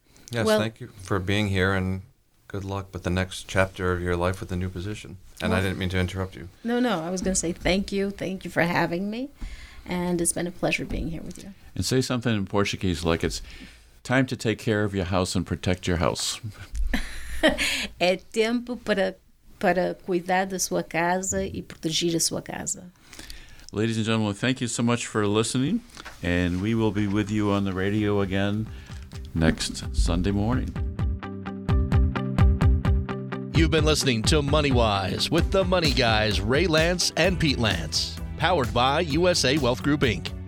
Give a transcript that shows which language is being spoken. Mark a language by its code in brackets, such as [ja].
[en] Yes, well, thank you for being here, and good luck with the next chapter of your life with the new position. And well, I didn't mean to interrupt you. No, I was going to say thank you. Thank you for having me. And it's been a pleasure being here with you. And say something in Portuguese, like it's time to take care of your house and protect your house. [pt] É tempo para cuidar da sua casa e proteger a sua casa. [en] Ladies and gentlemen, thank you so much for listening. And we will be with you on the radio again next Sunday morning. You've been listening to Money Wise with the Money Guys, Ray Lance and Pete Lance, powered by USA Wealth Group, Inc.